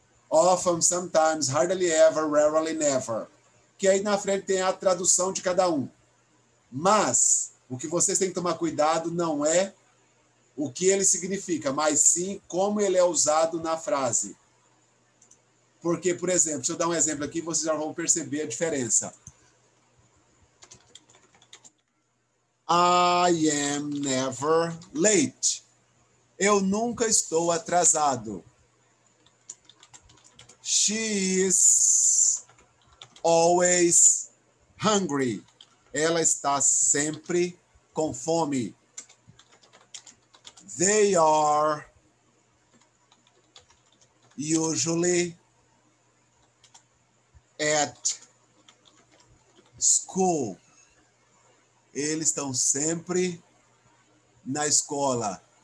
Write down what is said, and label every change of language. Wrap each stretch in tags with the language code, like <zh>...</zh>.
<en>Often, sometimes, hardly ever, rarely, never.</en> <pt>Que aí na frente tem a tradução de cada um. Mas, o que vocês têm que tomar cuidado não é o que ele significa, mas sim como ele é usado na frase. Porque, por exemplo, se eu dar um exemplo aqui, vocês já vão perceber a diferença.</pt> <en>I am never late.</en> <pt>Eu nunca estou atrasado.</pt> <en>She is always hungry.</en> <pt>Ela está sempre com fome.</pt> <en>They are usually at school.</en> <pt>Eles estão sempre na escola.</pt>